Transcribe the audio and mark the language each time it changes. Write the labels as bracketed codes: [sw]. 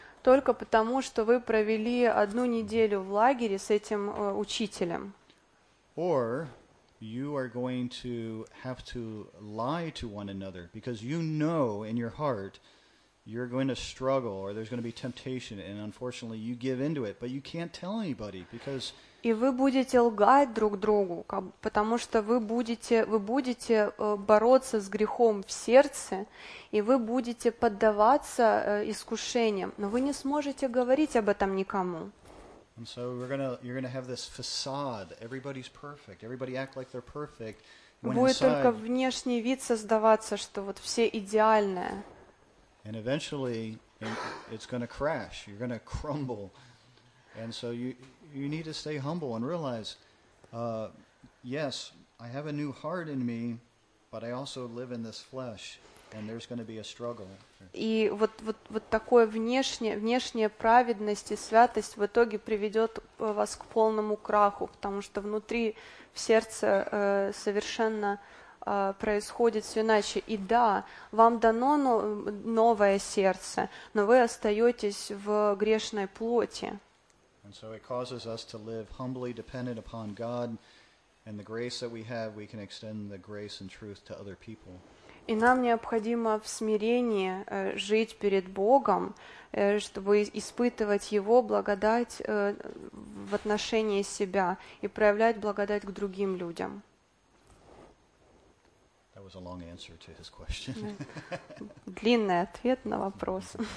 [ru] Только потому, что вы провели одну неделю в лагере с этим учителем. [en] Or you are going to have to lie to one another because you know in your heart you're going to struggle or there's going to be temptation and unfortunately you give into it, but you can't tell anybody because... [ru] И вы будете лгать друг другу, потому что вы будете бороться с грехом в сердце, и вы будете поддаваться искушениям, но вы не сможете говорить об этом никому. [en] And so you're gonna have this facade. Everybody's perfect. Everybody act like they're perfect. [ru] Будет только внешний вид создаваться, что вот все идеальные. [en] And eventually, it's gonna crash. You're gonna crumble. And so you need to stay humble and realize, yes, I have a new heart in me, but I also live in this flesh. And there's going to be a struggle. [ru] И вот такое внешняя праведность и святость в итоге приведет вас к полному краху, потому что внутри в сердце совершенно происходит все иначе. И да, вам дано новое сердце, но вы остаетесь в грешной плоти. [en] And so it causes us to live humbly dependent upon God, and the grace that we have, we can extend the grace and truth to other people. [ru] И нам необходимо в смирении жить перед Богом, чтобы испытывать Его благодать в отношении себя и проявлять благодать к другим людям. [en] That was a long answer to his question. [ru] Длинный ответ на вопрос.